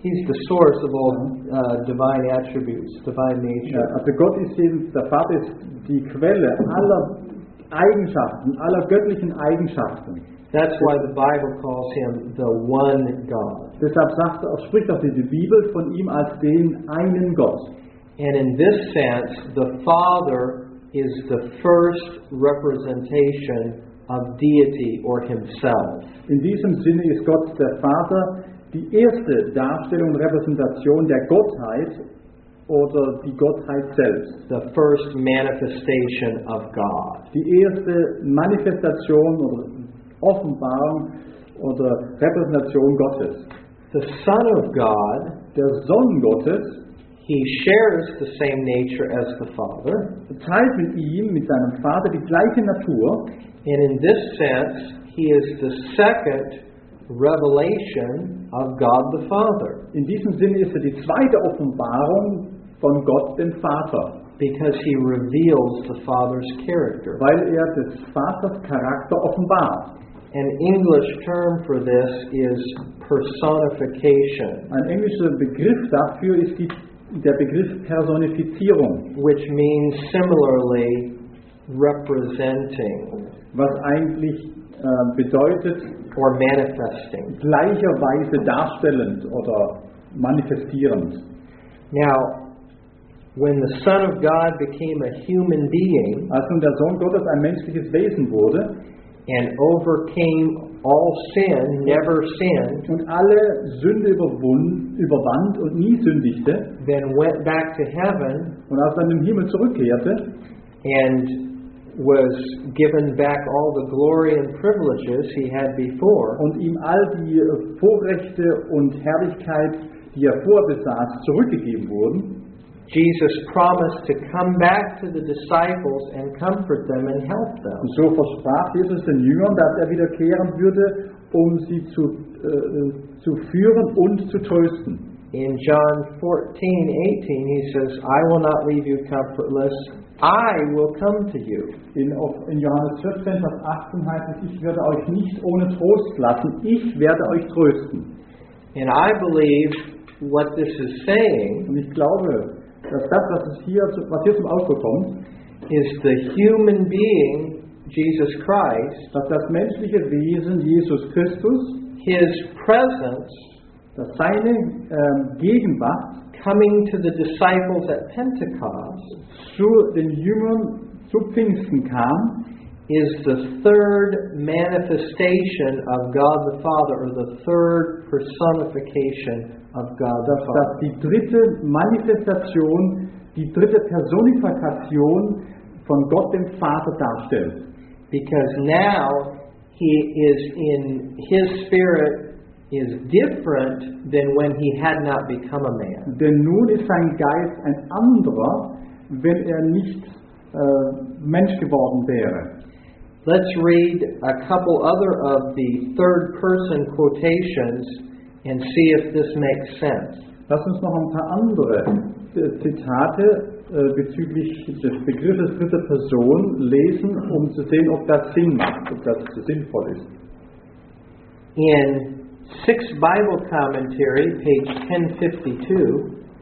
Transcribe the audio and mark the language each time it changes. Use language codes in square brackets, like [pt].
[en] He's the source of all divine attributes, divine nature. [de] Ja, also Gott ist eben, der Vater ist die Quelle aller Eigenschaften, aller göttlichen Eigenschaften. [en] That's why the Bible calls him the one God. [de] Deshalb sagt, spricht auch die Bibel von ihm als den einen Gott. [en] And in this sense, the Father is the first representation of deity or himself. [de] In diesem Sinne ist Gott der Vater die erste Darstellung und Repräsentation der Gottheit oder die Gottheit selbst. [en] The first manifestation of God. [de] Die erste Manifestation oder Offenbarung oder Repräsentation Gottes. [en] The Son of God, [de] der Sohn Gottes, [en] he shares the same nature as the Father, [de] teilt mit ihm, mit seinem Vater, die gleiche Natur. [en] And in this sense, he is the second revelation of God the Father. [de] In diesem Sinne ist er die zweite Offenbarung von Gott dem Vater. [en] Because he reveals the Father's character. [de] Weil des Vaters Charakter offenbart. [en] An English term for this is personification. [de] Ein englischer Begriff dafür ist der Begriff Personifizierung. [en] Which means similarly representing. [de] Was eigentlich bedeutet, [en] or manifesting. [de] Gleicherweise darstellend oder manifestierend. [en] Now, when the Son of God became a human being, [de] als nun der Sohn Gottes ein menschliches Wesen wurde, [en] and overcame all sin, never sinned, [de] und alle Sünde überwand und nie sündigte, [en] then went back to heaven, [de] und als dann im Himmel zurückkehrte, [en] and was given back all the glory and privileges he had before, [de] und ihm all die Vorrechte und Herrlichkeit, die vorher besaß, zurückgegeben wurden, [en] Jesus promised to come back to the disciples and comfort them and help them. [de] So versprach Jesus den Jüngern, dass wiederkehren würde, sie zu führen und zu trösten. [en] In John 14:18, he says, "I will not leave you comfortless. I will come to you." [de] In Johannes 14, Vers 18 heißt es, "Ich werde euch nicht ohne Trost lassen. Ich werde euch trösten." [en] And I believe what this is saying. [de] Und ich glaube, dass das, was hier zum Ausdruck kommt, [en] is the human being Jesus Christ, [de] dass das menschliche Wesen Jesus Christus, [en] his presence, [de] dass seine Gegenwart, [en] coming to the disciples at Pentecost, [de] zu den Jüngern zu Pfingsten kam, [en] is the third manifestation of God the Father, or the third personification of God the Father. [de] Dass die dritte Manifestation, die dritte Personifikation von Gott dem Vater darstellt. [en] Because now he is in his spirit is different than when he had not become a man. [de] Denn nun ist sein Geist ein anderer, wenn nicht Mensch geworden wäre. [en] Let's read a couple other of the third person quotations and see if this makes sense. [de] Lass uns noch ein paar andere Zitate bezüglich des Begriffes dritter Person lesen, zu sehen, ob das Sinn macht, ob das sinnvoll ist. [en] In Sixth Bible Commentary, page 1052.